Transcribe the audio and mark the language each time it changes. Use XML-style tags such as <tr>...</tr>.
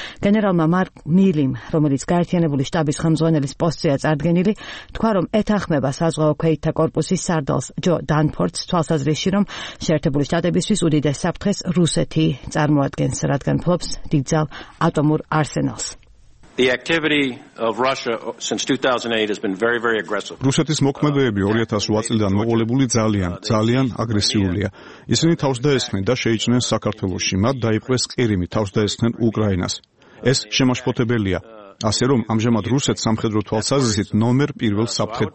<ka>გენერალმა მარკ მილიმ, რომელიც გაერთიანებული შტაბის ხელმძღვანელის პოსტზეა წარდგენილი, თქვა, რომ ეთანხმება საზღვაო ქვეითთა კორპუსის სარდალს ჯო დანფორდს თვალსაზრისში, რომ შეერთებული შტატებისთვის უდიდეს საფრთხეს რუსეთი წარმოადგენს, რადგან ფლობს დიდძალ ატომურ არსენალს.</ka> <en>The activity of Russia since 2008 has been very very aggressive.</en> <ka>რუსეთის მოქმედებები 2008 წლიდან მოყოლებული ძალიან აგრესიულია. ისინი თავს დაესხნენ და შეიჭრნენ საქართველოში, მათ დაიპყრეს ყირიმი, თავს დაესხნენ უკრაინას. ეს შემაშფოთებელია. ასე რომ ამჟამად რუსეთ სამხედრო თვალსაზრისით ნომერ პირველ საფრთხედ</ka>